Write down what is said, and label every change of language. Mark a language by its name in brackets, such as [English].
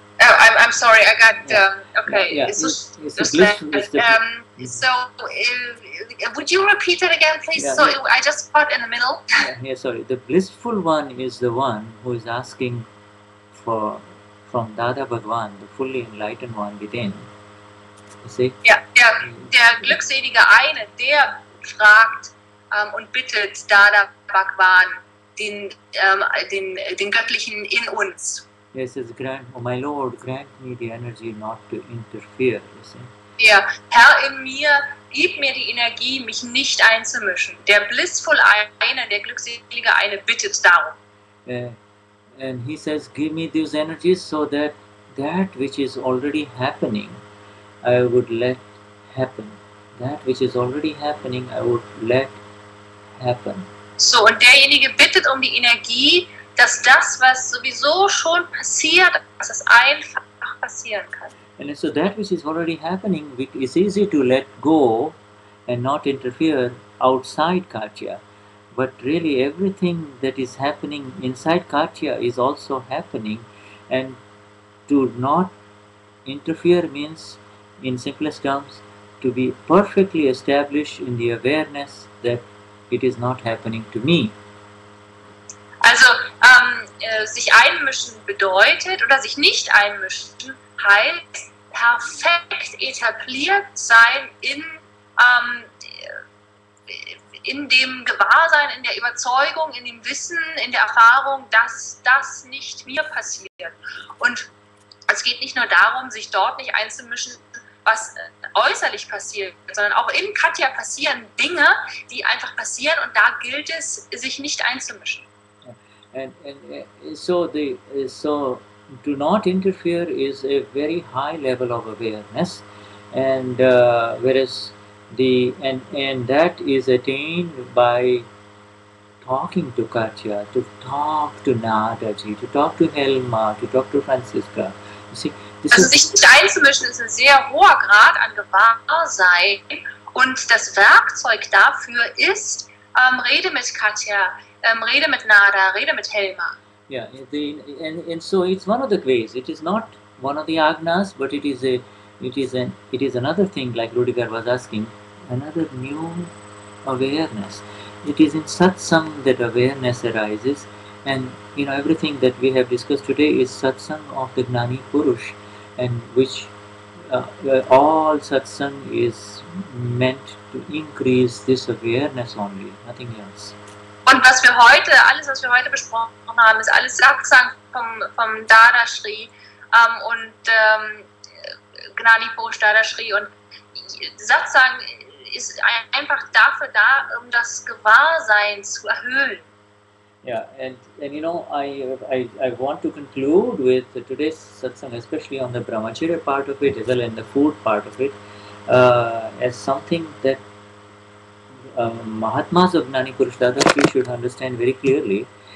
[English] I'm sorry, I got, would you repeat that again, please? Yeah, so I just caught in the middle. The blissful one is the one who is asking from Dada Bhagwan, the fully enlightened one within. You see? [German] Der glückselige eine, der fragt und bittet Dada Bhagwan, den göttlichen in uns. [English] He says, "Grant, oh my Lord, grant me the energy not to interfere." You see? [German] Yeah, Herr in mir, gib mir die Energie, mich nicht einzumischen. Der blissful eine, der glückselige eine, bittet darum. [English] And he says, "Give me these energies so that which is already happening, I would let happen. That which is already happening, I would let happen." [German] So, und derjenige bittet um die Energie, dass das, was sowieso schon passiert, dass es einfach passieren kann. [English] And so that which is already happening, it is easy to let go and not interfere outside Katja. But really everything that is happening inside Katja is also happening. And to not interfere means, in simplest terms, to be perfectly established in the awareness that it is not happening to me. [German] Also, sich einmischen bedeutet, oder sich nicht einmischen, heißt perfekt etabliert sein in dem Gewahrsein, in der Überzeugung, in dem Wissen, in der Erfahrung, dass das nicht mir passiert. Und es geht nicht nur darum, sich dort nicht einzumischen, was äußerlich passiert, sondern auch in Katja passieren Dinge, die einfach passieren, und da gilt es, sich nicht einzumischen. [English] And so to not interfere is a very high level of awareness, and whereas that is attained by talking to Katja, to talk to Nadaji, to talk to Helma, to talk to Francisca. You see, [German] Also sich nicht einzumischen ist ein sehr hoher Grad an Gewahrsein und das Werkzeug dafür ist Rede mit Katja, Rede mit Nada, Rede mit Helma. [English] Yeah, and so it's one of the ways. It is not one of the agnas, but it is another thing. Like Rudiger was asking, another new awareness. It is in satsang that awareness arises, and you know everything that we have discussed today is satsang of the Gnani Purush, and which all satsang is meant to increase this awareness only, nothing else. [German] Und was wir heute, alles was wir heute besprochen haben, ist alles Satsang vom Dadashri und Gnani Purush Dadashri. Und Satsang ist einfach dafür da, um das Gewahrsein zu erhöhen. [English] Ja, and you know, I want to conclude with today's Satsang, especially on the Brahmacharya part of it, as well in the food part of it, as something that Mahatmas of Gnani Purush Dadashri should understand very clearly.